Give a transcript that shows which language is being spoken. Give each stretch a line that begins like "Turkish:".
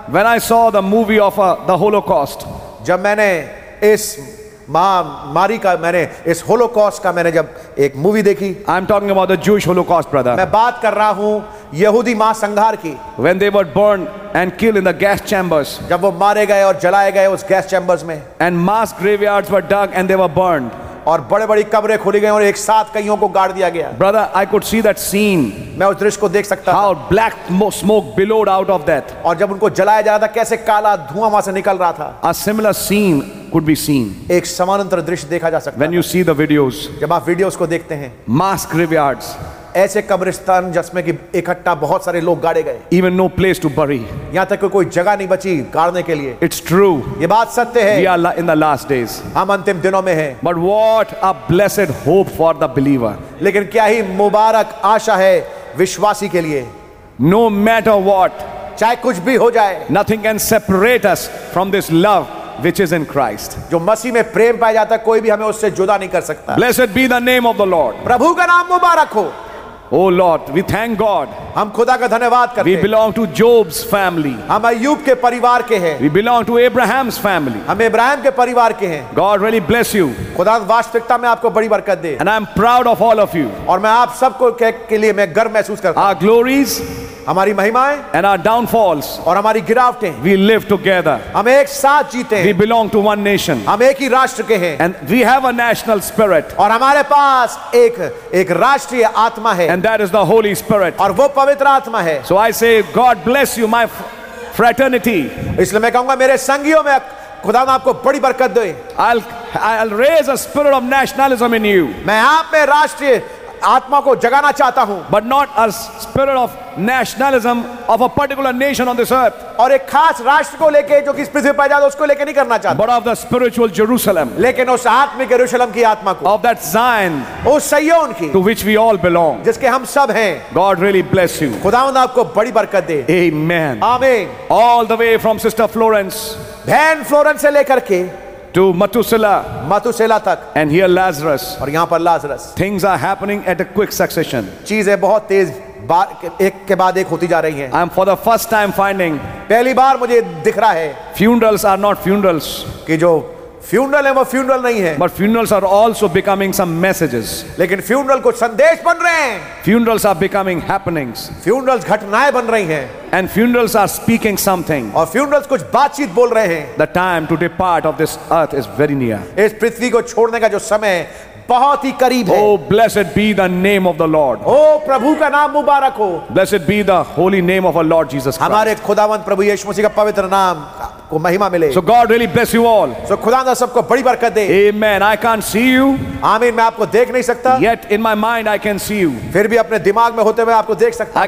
English: when I saw the movie of the Holocaust,
Hindi: जब मैंने इस मारी का, मैंने इस होलोकॉस्ट का मैंने जब एक मूवी देखी.
English: I'm talking about the Jewish Holocaust, brother.
Hindi: मैं बात कर रहा हूँ यहूदी महासंहार की.
English: When they were burned and killed in the gas chambers.
Hindi: जब वो मारे गए और जलाए गए उस गैस चैम्बर्स में.
English: And mass graveyards were dug and they were burned.
Hindi: और बड़े बड़ी कब्रें खोली गई और एक साथ कईयों को गाड़ दिया गया.
English: Brother, I could see that scene.
Hindi: मैं उस दृश्य को देख सकता था.
English: How black smoke billowed out of that.
Hindi: और जब उनको जलाया जा रहा था, कैसे काला धुआं वहां से निकल रहा था.
English: A similar scene could be seen.
Hindi: एक समानांतर दृश्य देखा जा सकता.
English: When you see the videos.
Hindi: जब आप वीडियोस को देखते हैं.
English: Mass graveyards.
Hindi: ऐसे कब्रिस्तान जिसमें कि इकट्ठा बहुत सारे लोग गाड़े गए.
English: Even no place to bury.
Hindi: यहां तक कोई जगह नहीं बची गाड़ने के लिए.
English: It's true.
Hindi: ये बात सत्य है.
English: We are in the last days.
Hindi: हम अंतिम दिनों में हैं.
English: But what a blessed hope for the believer.
Hindi: लेकिन क्या ही मुबारक आशा है विश्वासी के लिए.
English: No matter what.
Hindi: चाहे कुछ भी हो जाए.
English: Nothing can separate us from this love. Which is in Christ.
Hindi: जो मसीह में प्रेम पाया जाता है कोई भी हमें उससे जुदा नहीं कर सकता.
English: Blessed be the name of the Lord.
Hindi: प्रभु का नाम मुबारक हो.
English: Oh Lord, we thank God.
Hindi: हम खुदा का धन्यवाद करते हैं.
English: We belong to Job's family.
Hindi: हम अय्यूब के परिवार के हैं.
English: We belong to Abraham's family.
Hindi: हम इब्राहिम के परिवार के हैं.
English: God really bless you.
Hindi: खुदा वास्तविकता में आपको बड़ी बरकत दे.
English: And I am proud of all of you.
Hindi: और मैं आप सबको के लिए मैं गर्व महसूस करता हूं.
English: Our glories.
Hindi: हमारी महिमाएं.
English: And our downfalls.
Hindi: और हमारी गिरावटें.
English: We live together.
Hindi: हम एक साथ जीते हैं.
English: We belong to one nation.
Hindi: हम एक ही राष्ट्र के हैं.
English: And we have a national spirit.
Hindi: और हमारे पास एक एक राष्ट्रीय आत्मा है.
English: And that is the Holy Spirit.
Hindi: और वो पवित्र आत्मा है.
English: So I say, God bless you, my fraternity.
Hindi: इसलिए मैं कहूंगा मेरे संगियों में खुदा ने आपको बड़ी बरकत दे.
English: I'll raise a spirit of nationalism in you.
Hindi: मैं आप में राष्ट्रीय आत्मा को जगाना चाहता हूं.
English: But not a spirit of nationalism of a particular nation on this earth.
Hindi: और एक खास राष्ट्र को लेके जो कि इस पृथ्वी पर आजाद उसको लेके नहीं करना चाहता.
English: But of the spiritual Jerusalem.
Hindi: लेकिन उस आत्मिक यरूशलम की आत्मा को.
English: Of that Zion.
Hindi: उस सिय्योन की.
English: To which we all belong.
Hindi: जिसके हम सब हैं.
English: God really bless you.
Hindi: खुदावंद आपको बड़ी बरकत दे.
English: Amen. Amen. All the way from Sister Florence.
Hindi: बहन फ्लोरेंस से लेकर के
English: To Methuselah,
Hindi: Methuselah tak.
English: And here Lazarus.
Hindi: और यहाँ पर Lazarus.
English: Things are happening at a quick succession.
Hindi: चीजें बहुत तेज एक के बाद एक होती जा रही हैं.
English: I am for the first time finding.
Hindi: पहली बार मुझे दिख रहा है.
English: Funerals are not funerals.
Hindi: कि जो funeral है वो funeral नहीं है.
English: But funerals are also becoming some messages.
Hindi: लेकिन funeral कुछ संदेश बन रहे हैं.
English: Funerals are becoming happenings.
Hindi: Funerals घटनाएं बन रही हैं.
English: And funerals are speaking something.
Hindi: और funerals कुछ बातचीत बोल रहे हैं.
English: The time to depart of this earth is very near.
Hindi: इस पृथ्वी को छोड़ने का जो समय है बहुत ही करीब है.
English: Oh blessed be the name of the Lord.
Hindi: ओ प्रभु का नाम मुबारक हो.
English: Blessed be the holy name of our Lord Jesus Christ.
Hindi: हमारे खुदावंत प्रभु यीशु मसीह का पवित्र नाम को महिमा मिले.
English: So God really bless you all.
Hindi: So खुदा ना सबको बड़ी बरकत दे.
English: Amen. I can't see you.
Hindi: आमीन. मैं आपको देख नहीं सकता.
English: Yet in my mind I can see you.
Hindi: फिर भी अपने दिमाग में होते हुए आपको देख सकता.